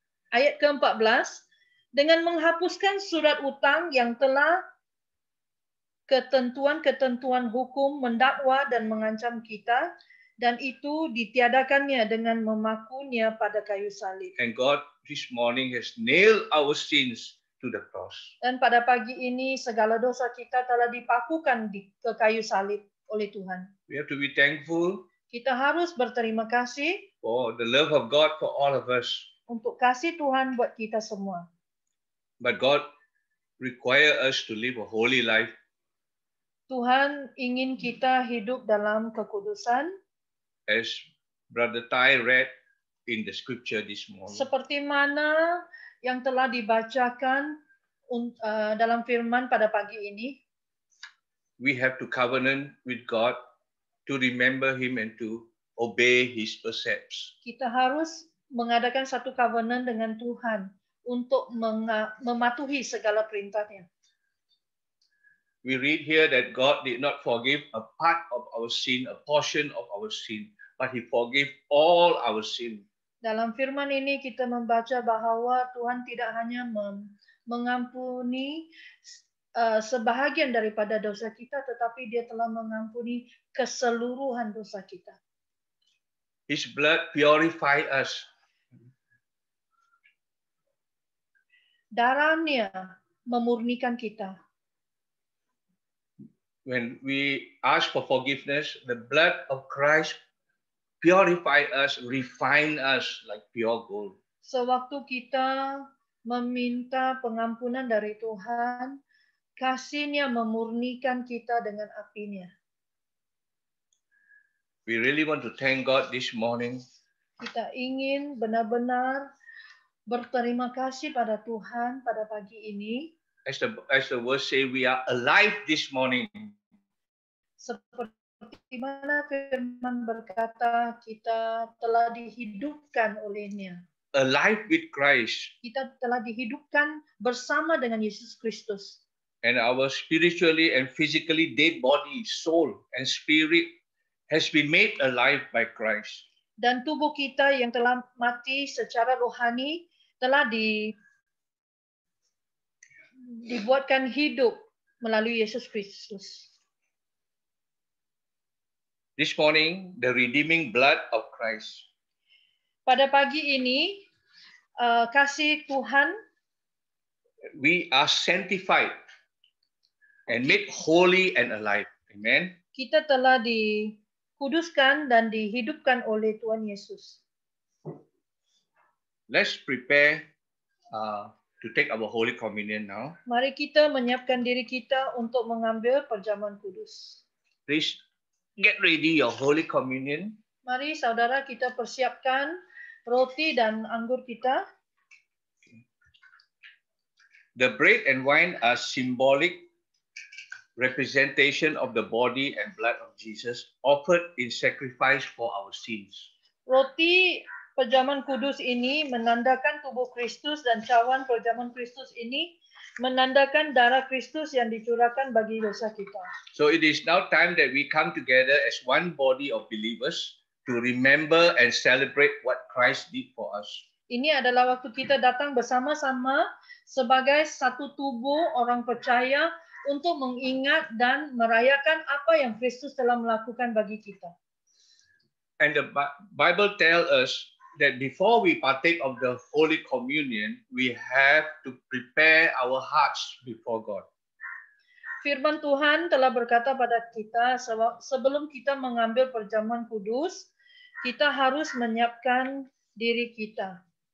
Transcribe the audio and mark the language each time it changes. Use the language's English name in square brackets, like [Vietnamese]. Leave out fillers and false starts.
[Indonesian] Ayat ke-14, dengan menghapuskan surat utang yang telah ketentuan-ketentuan hukum mendakwa dan mengancam kita, dan itu ditiadakannya dengan memakunya pada kayu salib. [English] And God this morning has nailed our sins to the cross. [Indonesian] Dan pada pagi ini segala dosa kita telah dipakukan di ke kayu salib oleh Tuhan. [English] We have to be thankful. [Indonesian] Kita harus berterima kasih. [English] For the love of God for all of us. [Indonesian] Untuk kasih Tuhan buat kita semua. [English] But God require us to live a holy life. [Indonesian] Tuhan ingin kita hidup dalam kekudusan. [English] As Brother Tai read in the scripture this morning. [Indonesian] Seperti mana yang telah dibacakan dalam firman pada pagi ini. [English] We have to covenant with God to remember him and to obey his precepts. [Indonesian] Kita harus mengadakan satu covenant dengan Tuhan untuk mematuhi segala perintah-Nya. [English] We read here that God did not forgive a part of our sin, a portion of our sin, but he forgave all our sin. [Indonesian] Dalam firman ini kita membaca bahwa Tuhan tidak hanya mengampuni sebahagian daripada dosa kita, tetapi dia telah mengampuni keseluruhan dosa kita. [English] His blood purify us. [Indonesian] Darah-Nya memurnikan kita. [English] When we ask for forgiveness, the blood of Christ purify us, refine us like pure gold. [Indonesian] Sewaktu kita meminta pengampunan dari Tuhan, kasih-Nya memurnikan kita dengan api-Nya. [English] We really want to thank God this morning. [Indonesian] Kita ingin benar-benar berterima kasih pada Tuhan pada pagi ini. [English] As the word say, we are alive this morning. [Indonesian] Seperti mana firman berkata, kita telah dihidupkan oleh-Nya. [English] Alive with Christ. [Indonesian] Kita telah dihidupkan bersama dengan Yesus Kristus. [English] And our spiritually and physically dead body, soul and spirit has been made alive by Christ. [Indonesian] Dan tubuh kita yang telah mati secara rohani telah dibuatkan hidup melalui Yesus Kristus. [English] This morning, the redeeming blood of Christ. [Indonesian] Pada pagi ini, kasih Tuhan. [English] We are sanctified and made holy and alive. Amen. [Indonesian] Kita telah dikuduskan dan dihidupkan oleh Tuhan Yesus. [English] Let's prepare to take our holy communion now. [Indonesian] Mari kita menyiapkan diri kita untuk mengambil perjamuan kudus. [English] Please get ready your holy communion. [Indonesian] Mari saudara kita persiapkan roti dan anggur kita. [English] The bread and wine are symbolic representation of the body and blood of Jesus offered in sacrifice for our sins. [Indonesian] Roti perjamuan kudus ini menandakan tubuh Kristus dan cawan perjamuan Kristus ini menandakan darah Kristus yang dicurahkan bagi dosa kita. [English] So it is now time that we come together as one body of believers to remember and celebrate what Christ did for us. [Indonesian] Ini adalah waktu kita datang bersama-sama sebagai satu tubuh orang percaya untuk mengingat dan merayakan apa yang Kristus telah melakukan bagi kita. [English] And the Bible tells us that before we partake of the Holy Communion, we have to prepare our hearts before God. [Indonesian] Firman Tuhan telah berkata pada kita, sebelum kita mengambil perjamuan kudus, kita harus menyiapkan diri kita.